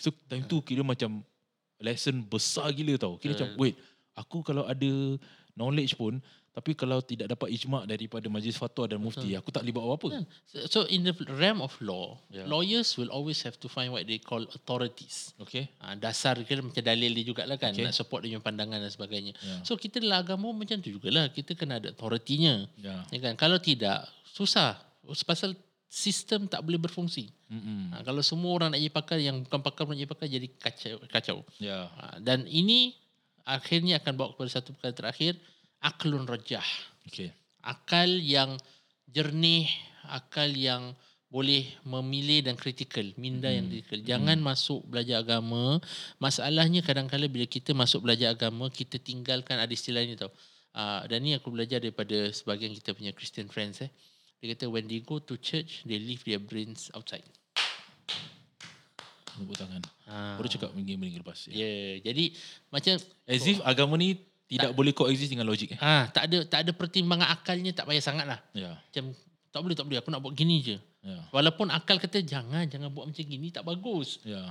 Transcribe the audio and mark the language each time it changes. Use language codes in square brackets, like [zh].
[en] So [ms] time tu kira macam [en] lesson [ms] besar gila tau. Kira macam, [en] wait, [ms] aku kalau ada [en] knowledge [ms] pun, tapi kalau tidak dapat ijma' daripada majlis fatwa dan mufti, aku tak boleh buat apa-apa. [en] So in the realm of law, lawyers will always have to find what they call authorities. Okay. [ms] Dasar ke macam dalil dia jugalah kan, nak support dia punya pandangan dan sebagainya. [en] So [ms] kita dalam agama macam tu jugalah, kita kena ada authority-nya. Ya kan? Kalau tidak, susah. Pasal sistem tak boleh berfungsi. Kalau semua orang nak jadi pakar, yang bukan pakar pun jadi pakar, jadi kacau. Dan ini akhirnya akan bawa kepada satu perkara terakhir, aklun rajah. [en] Okay. [ms] Akal yang jernih, akal yang boleh memilih dan kritikal, minda yang kritikal. Jangan masuk belajar agama. Masalahnya kadang-kadang bila kita masuk belajar agama, kita tinggalkan ada istilah ni tau. Dan ni aku belajar daripada sebagian kita punya [en] Christian friends. [ms] Dia kata, [en] when they go to church, they leave their brains outside. [ms] Lepuk tangan. Baru cakap minggu-minggu lepas. Jadi macam, [en] as if [ms] agama ni tidak boleh [en] coexist [ms] dengan logik. Tak ada pertimbangan akalnya, tak payah sangatlah. Macam tak boleh aku nak buat gini je. Walaupun akal kata jangan buat macam gini, tak bagus.